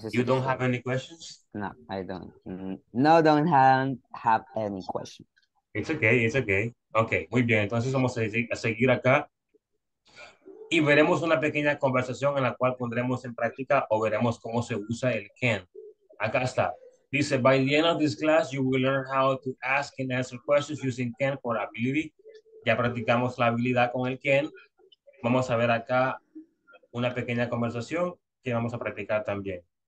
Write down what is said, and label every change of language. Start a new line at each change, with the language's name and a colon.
English: You don't have any questions? No, I don't. No, don't have any questions. It's okay.
Spanish: Okay, muy bien. Entonces vamos a seguir acá. Y veremos una pequeña conversación en la cual pondremos en práctica o veremos cómo se usa el can. Acá está. Dice,
English: by the end of this class, you will learn how to ask and answer questions using can for ability.
Spanish: Ya practicamos la habilidad con el can. Vamos a ver acá una pequeña conversación que vamos a practicar también.